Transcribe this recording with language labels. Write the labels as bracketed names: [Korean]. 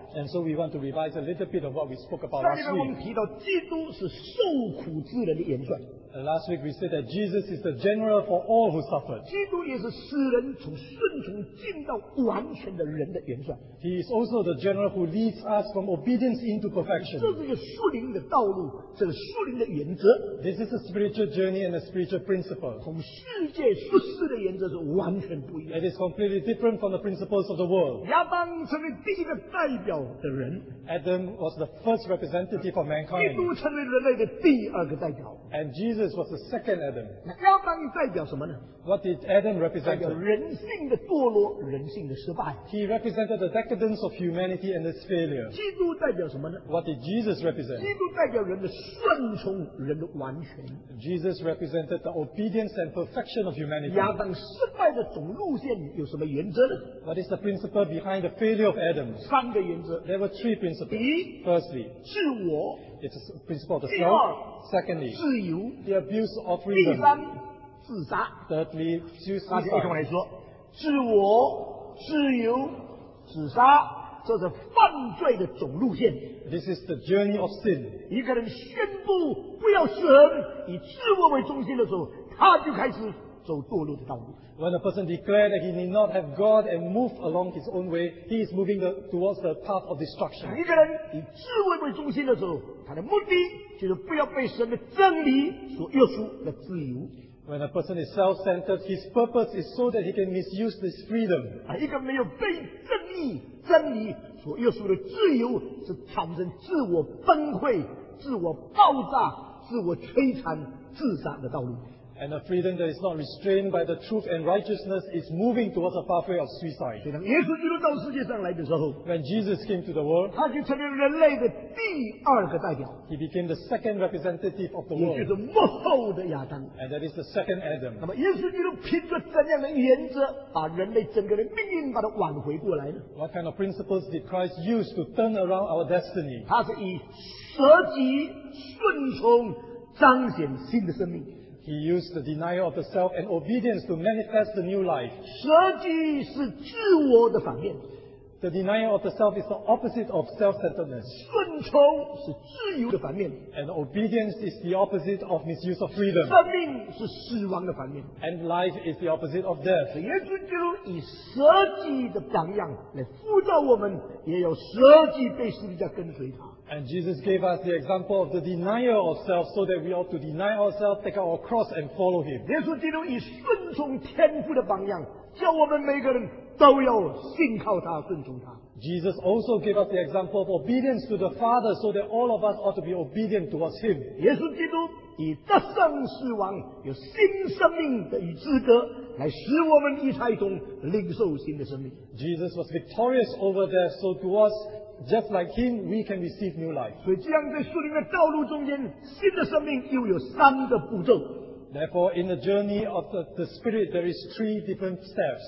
[English] And so we want to revise a little bit of what we spoke about last week. [Chinese] 上个礼拜我们提到基督是受苦之人的元帅。 [English] Last week we said that Jesus is the general for all who suffer. [Chinese] 基督也是使人从顺从进到完全的人的元帅。 [English] He is also the general who leads us from obedience into perfection. [Chinese] 这是一个属灵的道路，这是属灵的原则。 [English] This is a spiritual journey and a spiritual principle. [Chinese] 从世界属世的原则是完全不一样。 [English] It is completely different from the principles of the world. [Chinese] 亚当成为第一个代表的人。 [English] Adam was the first representative of mankind. [Chinese] 基督成为人类的第二个代表。 [English] And Jesus was the second Adam. [Chinese] 那亚当代表什么呢？ [English] What did Adam represent? [Chinese] 代表人性的堕落，人性的失败。 [English] He represented the decadence of humanity and its failure. [Chinese] 基督代表什么呢？ [English] What did Jesus represent? [Chinese] 基督代表人的顺从，人的完全。 [English] Jesus represented the obedience and perfection of humanity. [Chinese] 亚当失败的总路线有什么原则呢？ [English] What is the principle behind the failure of Adam? [Chinese] 三个原则。 [English] There were three principles. [Chinese] 第一， [English] Firstly, [Chinese] 自我。 [English] It's a principle of the self. [Chinese] 第二， [English] Secondly, [Chinese] 自由。 [English] The abuse of freedom. [Chinese] 第三，自杀。 [English] Thirdly, suicide. [Chinese] 那就一同来说，自我、自由、自杀，这是犯罪的总路线。 [English] This is the journey of sin. [Chinese] 一个人宣布不要神，以自我为中心的时候，他就开始走堕落的道路。 [English] When a person declares that he need not have God and move along his own way, he is moving towards the path of destruction. [Chinese] 一个人以自我为中心的时候，他的目的就是不要被神的真理所约束的自由。 [English] When a person is self-centered, his purpose is so that he can misuse this freedom. [Chinese] 一个没有被正义、真理所约束的自由，是产生自我崩溃、自我爆炸、自我摧残、自杀的道路。 [English] And a freedom that is not restrained by the truth and righteousness is moving towards a pathway of suicide. [Chinese] 当耶稣基督到世界上来的时候， [English] When Jesus came to the world, [Chinese] 他就成为人类的第二个代表。 [English] He became the second representative of the world. [Chinese] 也就是幕后的亚当。 [English] And that is the second Adam. [Chinese] 那么耶稣基督凭着怎样的原则把人类整个的命运把它挽回过来呢？ [English] What kind of principles did Christ use to turn around our destiny? [Chinese] 他是以舍己顺从彰显新的生命。 [English] He used the denial of the self and obedience to manifest the new life. [Chinese] 舍己是自我的反面。 [English] The denial of the self is the opposite of self-centeredness. [Chinese] 顺从是自由的反面。 [English] And obedience is the opposite of misuse of freedom. [Chinese] 生命是死亡的反面。 [English] And life is the opposite of death. [Chinese] 耶稣基督以舍己的榜样来辅导我们，也有舍己被十字架跟随他。 [English] And Jesus gave us the example of the denial of self so that we ought to deny ourselves, take our cross and follow him. [Chinese] 耶稣基督以顺从天父的榜样，叫我们每个人都要信靠他，顺从他。 [English] Jesus also gave us the example of obedience to the Father so that all of us ought to be obedient towards him. [Chinese] 耶稣基督以得胜死亡有新生命的与资格，来使我们一胎中领受新的生命。 [English] Jesus was victorious over death so to us,Just like him, we can receive new life. [Chinese] 所以这样在属灵的道路中间，新的生命又有三个步骤。 [English] Therefore, in the journey of the Spirit, there is three different steps.